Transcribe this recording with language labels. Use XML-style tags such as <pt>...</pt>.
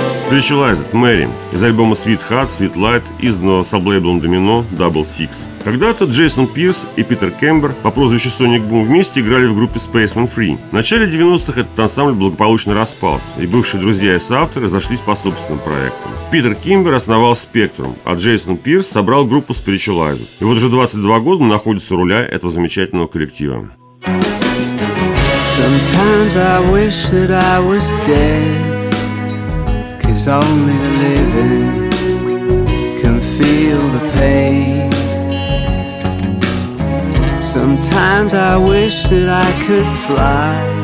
<ru>Specialized Mary из альбома Sweet Heart, Sweet Light, изданного саблейблом Domino Double Six. Когда-то Джейсон Пирс и Питер Кембер по прозвищу Sonic Boom вместе играли в группе Spaceman Free. В начале 90-х этот ансамбль благополучно распался, и бывшие друзья и соавторы разошлись по собственным проектам. Питер Кембер основал Spectrum, а Джейсон Пирс собрал группу Specialized. И вот уже 22 года он находится у руля этого замечательного коллектива.</ru> <en>Sometimes I wish that I was dead, 'cause only the living can feel the pain. Sometimes I wish that I could fly.</en>